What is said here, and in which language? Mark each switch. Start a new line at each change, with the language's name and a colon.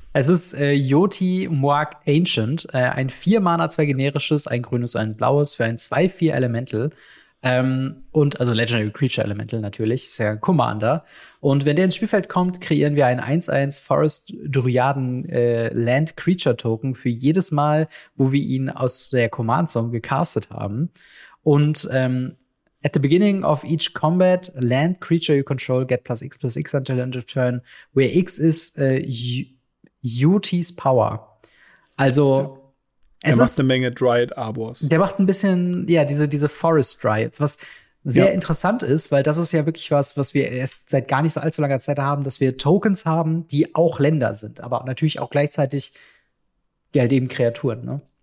German: Es ist Yoti Muak Ancient. Ein 4-Mana, 2 generisches, ein grünes, ein blaues für ein 2-4 Elemental. Und also Legendary Creature Elemental natürlich, ist ja ein Commander. Und wenn der ins Spielfeld kommt, kreieren wir einen 1-1 Forest Dryaden Land Creature Token für jedes Mal, wo wir ihn aus der Command Zone gecastet haben.
English: Und at the beginning of each combat, land creature you control get plus x until end of turn, where x is Yuti's power.
German: Also, ja. Er macht eine Menge Dryad Arbors. Der macht ein bisschen, ja, diese Forest Dryads, was sehr interessant ist, weil das ist ja wirklich was wir erst seit gar nicht so allzu langer Zeit haben, dass wir Tokens haben, die auch Länder sind, aber natürlich auch gleichzeitig halt eben Kreaturen, ne?